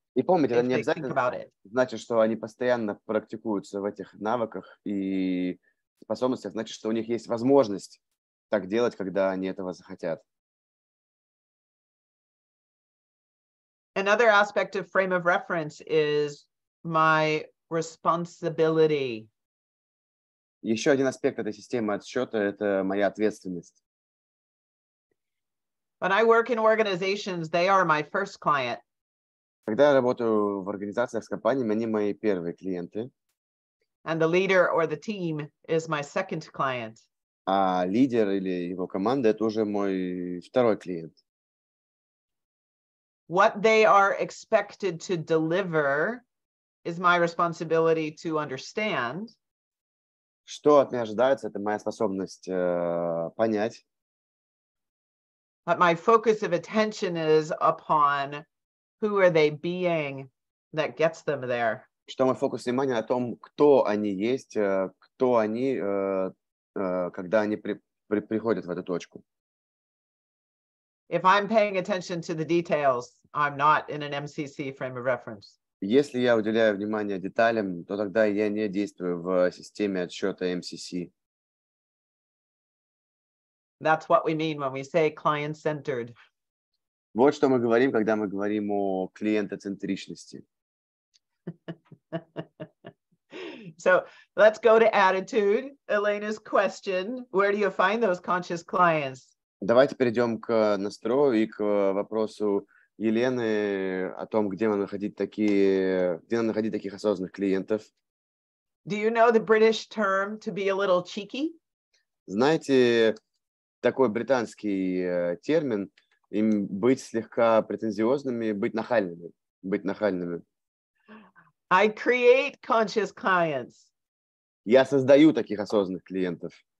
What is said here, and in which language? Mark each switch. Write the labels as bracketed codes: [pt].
[ru] И помните, это не обязательно значит, что они постоянно практикуются в этих навыках и способностях. Значит, что у них есть возможность так делать, когда они этого захотят. [en] Another aspect of frame of reference is my responsibility. [ru] Еще один аспект этой системы отсчета – это моя ответственность. [en] When I work in organizations, they are my first client. [ru] Когда я работаю в организациях с компаниями, они мои первые клиенты. [en] And the leader or the team is my second client. [ru] А лидер или его команда – это уже мой второй клиент. [en] What they are expected to deliver is my responsibility to understand. [ru] Что от меня ожидается, это моя способность понять. [en] But my focus of attention is upon who are they being that gets them there. [ru] Что мой фокус внимания на том, кто они есть, кто они, когда они приходят в эту точку. [en] If I'm paying attention to the details, I'm not in an MCC frame of reference. [ru] Если я уделяю внимание деталям, то тогда я не действую в системе отсчета MCC. [en] That's what we mean when we say client-centered. [ru] Вот что мы говорим, когда мы говорим о клиентоцентричности. [en] So let's go to attitude. Elena's question, where do you find those conscious clients? [ru] Давайте перейдем к настрою и к вопросу Елены о том, где нам находить такие, где нам находить таких осознанных клиентов. [en] Do you know the British term to be a little cheeky? [ru] Знаете такой британский термин им быть слегка претенциозными, быть нахальными. [en] I create conscious clients. [ru] Я создаю таких осознанных клиентов.